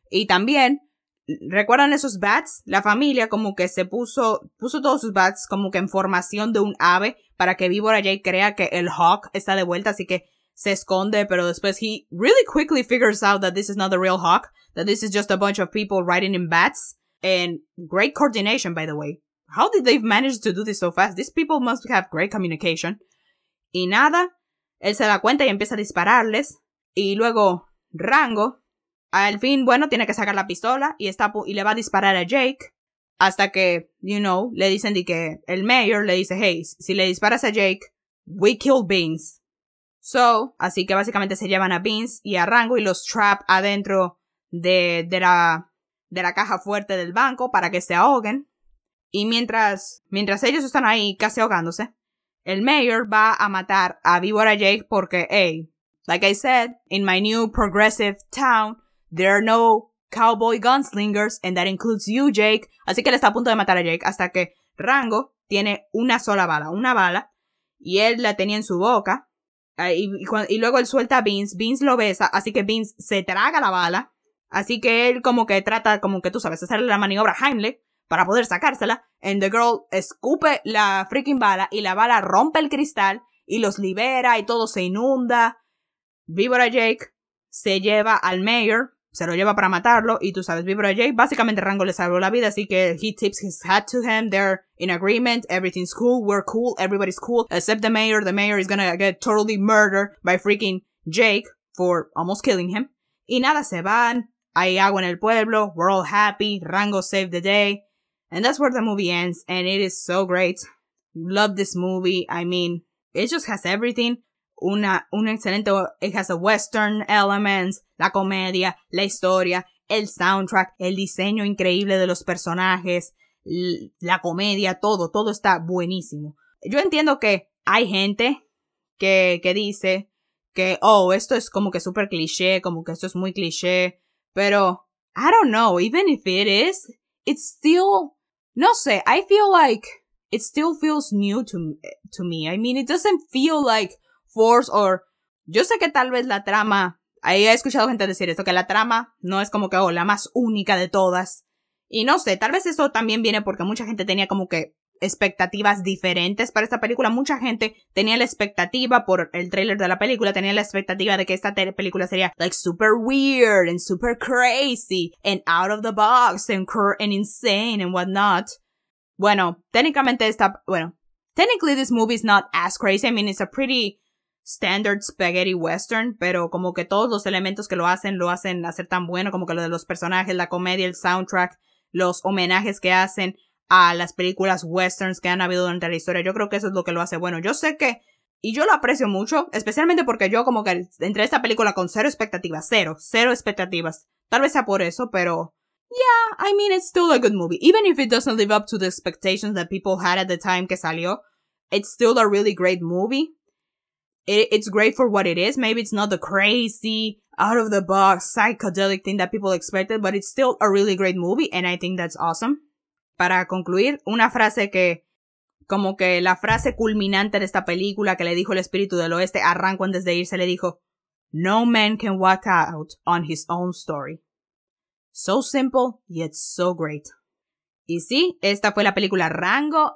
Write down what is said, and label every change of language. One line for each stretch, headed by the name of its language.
Spanish: Y también, ¿recuerdan esos bats? La familia como que se puso todos sus bats como que en formación de un ave para que Víbora Jake crea que el hawk está de vuelta, así que se esconde, pero después
English: he really quickly figures out that this is not the real hawk, that this is just a bunch of people riding in bats. And great coordination, by the way. How did they manage to do this so fast? These people must have great communication.
Spanish: Y nada, él se da cuenta y empieza a dispararles. Y luego Rango, al fin, bueno, tiene que sacar la pistola y le va a disparar a Jake. Hasta que,
English: you know,
Spanish: le dicen de que el mayor le dice, hey, si le disparas a Jake,
English: we kill Beans.
Spanish: So, así que básicamente se llevan a Beans y a Rango y los trap adentro de la caja fuerte del banco para que se ahoguen. Y mientras ellos están ahí casi ahogándose, el mayor va a matar a Víbora Jake porque,
English: hey, like I said, in my new progressive town, there are no cowboy gunslingers, and that includes you, Jake.
Spanish: Así que él está a punto de matar a Jake hasta que Rango tiene una sola bala, una bala, y él la tenía en su boca. Y luego él suelta a Vince, Vince lo besa, así que Vince se traga la bala. Así que él como que trata, como que tú sabes, hacerle la maniobra a Heimlich para poder sacársela.
English: And the girl
Spanish: escupe la freaking bala y la bala rompe el cristal y los libera y todo se inunda. Víbora Jake se lleva al mayor, se lo lleva para matarlo. Y tú sabes, Víbora Jake, básicamente Rango le salvó la vida, así que
English: he tips his hat to him. They're in agreement, everything's cool, we're cool, everybody's cool. Except the mayor is gonna get totally murdered by freaking Jake for almost killing him.
Spanish: Y nada, se van, hay agua en el pueblo,
English: we're all happy, Rango saved the day. And that's where the movie ends, and it is so great. Love this movie, I mean, it just has everything.
Spanish: Una excelente,
English: it has a western elements,
Spanish: la comedia, la historia, el soundtrack, el diseño increíble de los personajes, la comedia, todo, todo está buenísimo. Yo entiendo que hay gente que dice que, oh, esto es como que super cliché, como que esto es muy cliché, pero
English: I don't know, even if it is, it's still,
Spanish: no sé,
English: I feel like it still feels new to me. I mean, it doesn't feel like force or,
Spanish: yo sé que tal vez la trama, ahí he escuchado gente decir esto, que la trama no es como que, oh, la más única de todas. Y no sé, tal vez eso también viene porque mucha gente tenía como que expectativas diferentes para esta película. Mucha gente tenía la expectativa por el trailer de la película, tenía la expectativa de que esta película sería
English: like super weird and super crazy and out of the box and insane and whatnot.
Spanish: Bueno, técnicamente esta, bueno,
English: technically this movie is not as crazy. I mean, it's a pretty standard spaghetti western,
Spanish: pero como que todos los elementos que lo hacen hacer tan bueno, como que lo de los personajes, la comedia, el soundtrack, los homenajes que hacen a las películas westerns que han habido durante la historia. Yo creo que eso es lo que lo hace bueno. Yo sé que, y yo lo aprecio mucho, especialmente porque yo como que entré a esta película con cero expectativas, cero, cero expectativas. Tal vez sea por eso, pero
English: yeah, I mean, it's still a good movie. Even if it doesn't live up to the expectations that people had at the time
Spanish: que salió,
English: it's still a really great movie. It's great for what it is. Maybe it's not the crazy, out of the box, psychedelic thing that people expected, but it's still a really great movie, and I think that's awesome.
Spanish: Para concluir, una frase que, como que la frase culminante de esta película que le dijo el espíritu del oeste a Rango antes de irse, le dijo,
English: no man can walk out on his own story. So simple, yet so great.
Spanish: Y sí, esta fue la película Rango.